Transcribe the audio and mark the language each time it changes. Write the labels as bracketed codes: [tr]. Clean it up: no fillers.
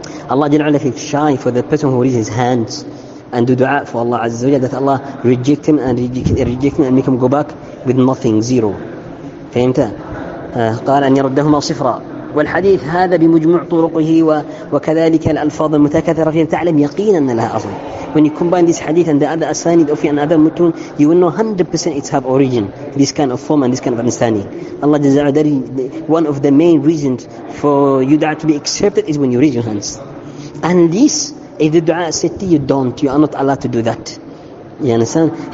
[en] Allah Jalla Ala is shy for the person who raised his hands and do dua for Allah Azza wa Jalla, that Allah reject him and reject him and make him go back with nothing, zero. [ar] فهمت؟ قال أن يردهما صفرا. والحديث هذا بمجمع طرقه وكذلك الألفاظ المتكاثرة فيها تعلم يقينا أن لها أصل. [en] When you combine this hadith and the other asanid of an other mutun, you will know 100% it have origin, this kind of form and this kind of understanding. Allah Jalla Ala, one of the main reasons for you dua to be accepted is when you raise your hands. And this, if the dua said to you, don't, you are not allowed to do that. You understand?